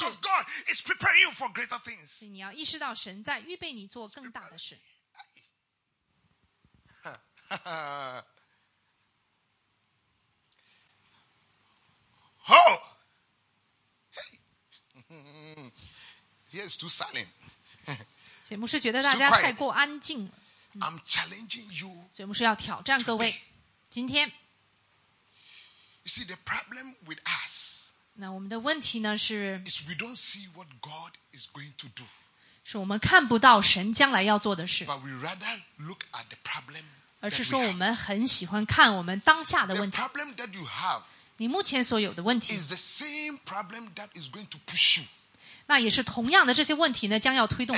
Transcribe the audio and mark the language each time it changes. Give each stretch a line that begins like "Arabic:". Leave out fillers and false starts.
English: Because God is preparing you for greater things.
Chinese: 所以你要意识到神在预备你做更大的事。哈哈。Oh.
English: Yes, too silent.
Chinese: 所以牧师觉得大家太过安静了。
English: I'm challenging you.
Chinese: 所以牧师要挑战各位，今天。
English: You see the problem with us.
Chinese: 那我们的问题呢是
English: ？Is we don't see what God is going to do.
Chinese: 是我们看不到神将来要做的事。
English: But we rather look at the problem.
Chinese: 而是说我们很喜欢看我们当下的问题。
English: The problem that you have.
Chinese: 你目前所有的问题
English: is the same problem that is going to push you.
Chinese: 那也是同样的，这些问题呢，将要推动